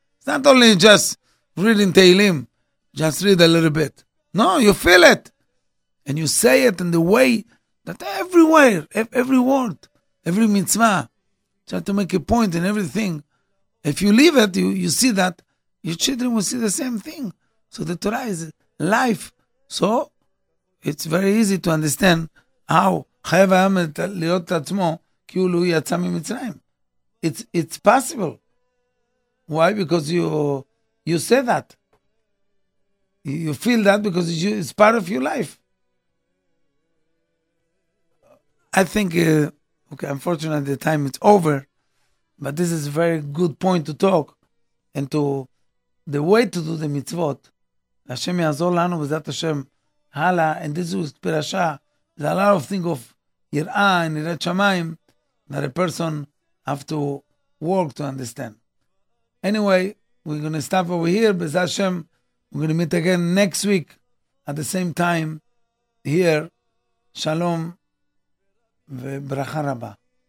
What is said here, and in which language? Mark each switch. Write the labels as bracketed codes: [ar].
[en] It's not only just reading Tehillim. Just read a little bit. No, you feel it. And you say it in the way that everywhere, every word, every mitzvah, try to make a point in everything. If you leave it, you see that your children will see the same thing. So the Torah is life. So it's very easy to understand how [he] חייב היה להיות עצמו כאילו הוא יצא ממצרים. [en] It's possible. Why? Because you say that. You feel that because it's part of your life. I think, okay, unfortunately the time is over, but this is a very good point to talk and to the way to do the mitzvot. Hashem [he] יעזור לנו בזאת השם הלאה, [en] and this is Parasha. There's a lot of things of יראה and יראת שמיים that a person have to work to understand. Anyway, we're going to stop over here. Bezat Hashem, we're going to meet again next week at the same time here. [he] Shalom ve bracha rabah.